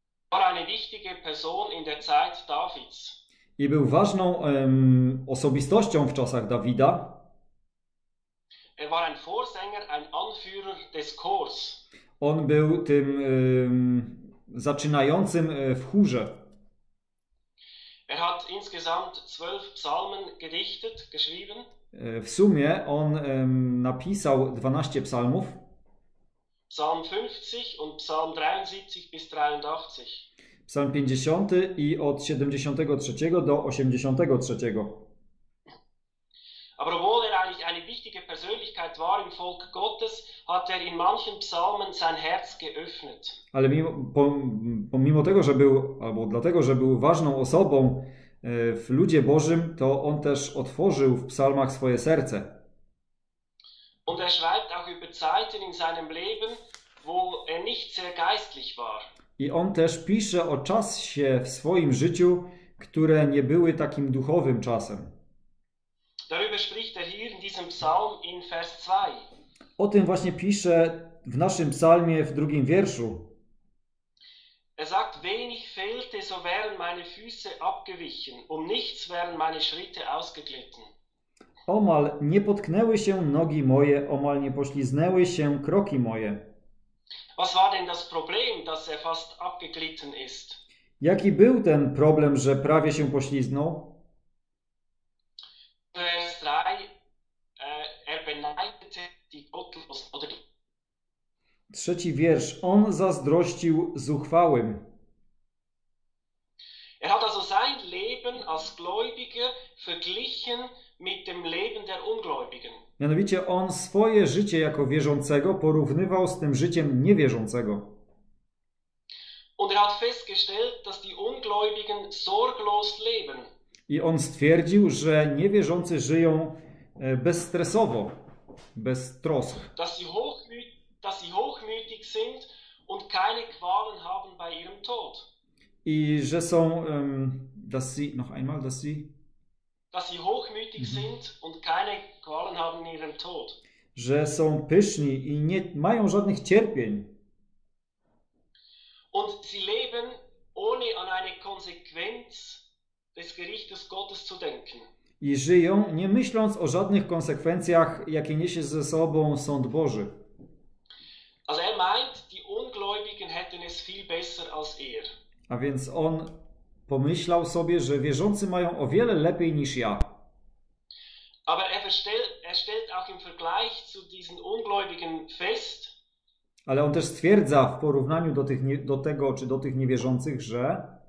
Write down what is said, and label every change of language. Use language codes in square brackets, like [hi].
[de] War eine wichtige Person in der Zeit Davids. [pl] I był ważną osobistością w czasach Dawida. [de] Er war ein Vorsänger, ein Anführer des Chors. [pl] On był tym zaczynającym w chórze. [de] Er hat insgesamt 12 Psalmen gedichtet, geschrieben. [pl] W sumie on napisał 12 psalmów. [de] Psalm 50 und Psalm 73 bis 83. [pl] Psalm 50 i od 73 do 83. [de] Aber obwohl er eigentlich eine wichtige Persönlichkeit war im Volk Gottes, hat er in manchen Psalmen sein Herz geöffnet. [pl] Ale pomimo tego, że był, albo dlatego, że był ważną osobą w ludzie Bożym, to on też otworzył w psalmach swoje serce. [de] Und er schreibt auch über Zeiten in seinem Leben, wo er nicht sehr geistlich war. [pl] I on też pisze o czasie w swoim życiu, które nie były takim duchowym czasem. [de] Darüber spricht er hier in diesem Psalm in Vers 2. [pl] O tym właśnie pisze w naszym psalmie w drugim wierszu. [de] Er sagt, wenig fehlte, so wären meine Füße abgewichen, um nichts wären meine Schritte ausgeglitten. [pl] Omal nie potknęły się nogi moje, omal nie poślizgnęły się kroki moje. [de] Was war denn das Problem, dass er fast abgeglitten ist? [pl] Jaki był ten problem, że prawie się poślizgnął? [de] Vers 3, er beneidete die Gottlosen, oder die. [pl] Trzeci wiersz. On zazdrościł zuchwałym. [de] Er hat also sein Leben als Gläubiger verglichen mit dem Leben der Ungläubigen. [pl] Mianowicie on swoje życie jako wierzącego porównywał z tym życiem niewierzącego. [de] Und er hat festgestellt, dass die Ungläubigen sorglos leben. [pl] I on stwierdził, że niewierzący żyją bezstresowo, bez trosk. [de] Dass sie hochmütig sind und keine Qualen haben bei ihrem Tod. [pl] I że są, [de] dass sie, noch einmal, dass sie. Dass sie hochmütig sind und keine Qualen haben in ihrem Tod. [pl] Że są pyszni i nie mają żadnych cierpień. [de] Und sie leben ohne an eine Konsequenz des Gerichtes Gottes zu denken. [pl] I żyją, nie myśląc o żadnych konsekwencjach, jakie niesie ze sobą sąd Boży. [de] Also er meint, die Ungläubigen hätten es viel besser als er. [pl] A więc on pomyślał sobie, że wierzący mają o wiele lepiej niż ja. [de] Aber er stellt auch im Vergleich zu diesen Ungläubigen fest. [pl] Ale on też stwierdza w porównaniu do tych, do tego, czy do tych niewierzących, że